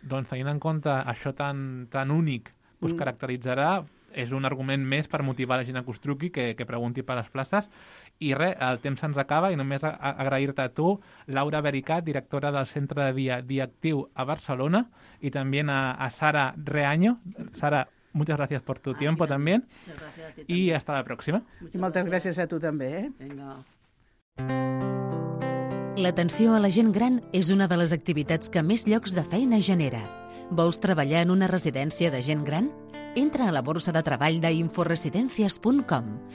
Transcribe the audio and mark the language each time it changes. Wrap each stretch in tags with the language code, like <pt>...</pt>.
<ca>Doncs tenint en compte això tan, tan únic que us caracteritzarà, és un argument més per motivar la gent que us truqui, que pregunti per les places. I res, el temps se'ns acaba i només agrair-te a tu, Laura Bericat, directora del Centre de Dia Actiu a Barcelona, i també a Sara Reaño.</ca> <es>Sara, muchas gracias por tu tiempo también. Y hasta la próxima.</es> <ca>Moltes gràcies a tu també. Vinga. L'atenció a la gent gran és una de les activitats que més llocs de feina genera. Vols treballar en una residència de gent gran? Entra a la borsa de treball de inforesidencias.com.</ca>